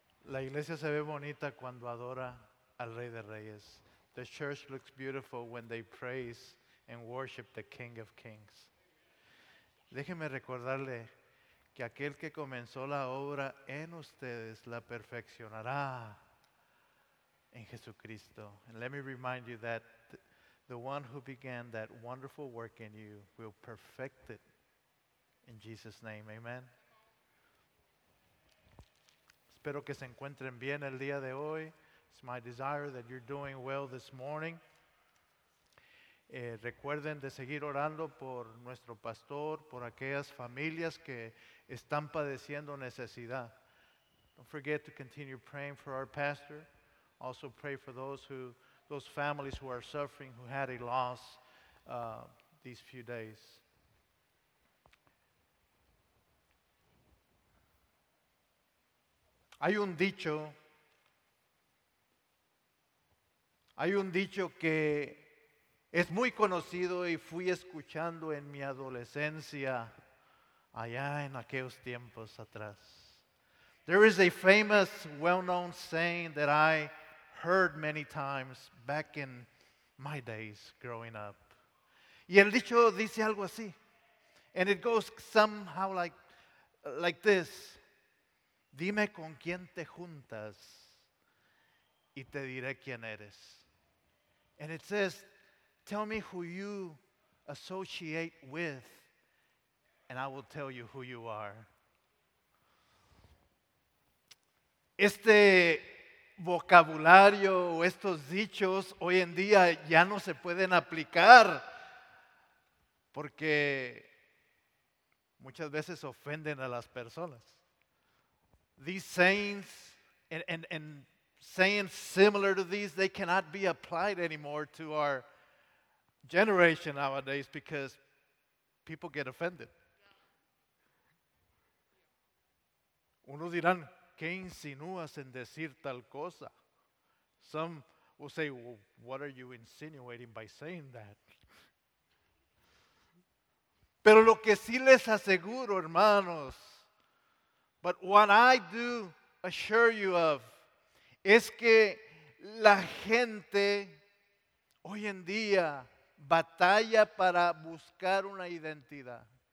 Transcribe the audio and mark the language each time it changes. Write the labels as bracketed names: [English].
[Spanish] La iglesia se ve bonita cuando adora al Rey de Reyes. [English] The church looks beautiful when they praise and worship the King of Kings. [Spanish] Déjeme recordarle que aquel que comenzó la obra en ustedes la perfeccionará en Jesucristo. [English] And let me remind you that the one who began that wonderful work in you will perfect it in Jesus' name. Amen. [Spanish] Espero que se encuentren bien el día de hoy. [English] It's my desire that you're doing well this morning. [Spanish] Recuerden de seguir orando por nuestro pastor, por aquellas familias que están padeciendo necesidad. [English] Don't forget to continue praying for our pastor. Also pray for those families who are suffering, who had a loss these few days. [Spanish] Hay un dicho que es muy conocido y fui escuchando en mi adolescencia allá en aquellos tiempos atrás. [English] There is a famous, well-known saying that I heard many times back in my days growing up. [Spanish] Y el dicho dice algo así. [English] And it goes somehow like this. [Spanish] Dime con quién te juntas y te diré quién eres. [English] And it says, tell me who you associate with and I will tell you who you are. [Spanish] Este vocabulario o estos dichos hoy en día ya no se pueden aplicar porque muchas veces ofenden a las personas. [English] These sayings and sayings similar to these, they cannot be applied anymore to our generation nowadays because people get offended. [Spanish] Unos dirán, ¿qué insinúas en decir tal cosa? [English] Some will say, well, what are you insinuating by saying that? [Spanish] Pero lo que sí les aseguro, hermanos, [English] but what I do assure you of [Spanish] es que la gente hoy en día batalla para buscar una identidad.